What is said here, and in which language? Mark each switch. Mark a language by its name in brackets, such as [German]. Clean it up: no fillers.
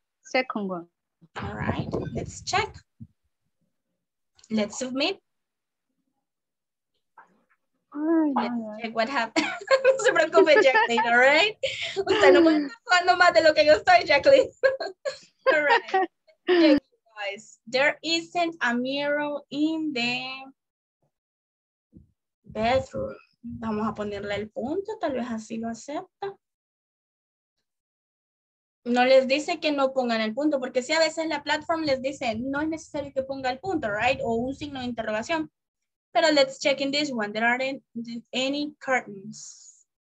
[English] Second one. All right, let's check. Let's submit. Let's check what happened. [Spanish] No se preocupe, [English] Jacqueline, all right? [Spanish] Usted no más de lo que yo estoy, Jacqueline. [English] All right, guys, there isn't a mirror in the bedroom. [Spanish] Vamos a ponerle el punto, tal vez así lo acepta. No les dice que no pongan el punto, porque si a veces la platform les dice, no es necesario que ponga el punto, [English] right? [Spanish] O un signo de interrogación. [English] Pero let's check in this one, there aren't any curtains.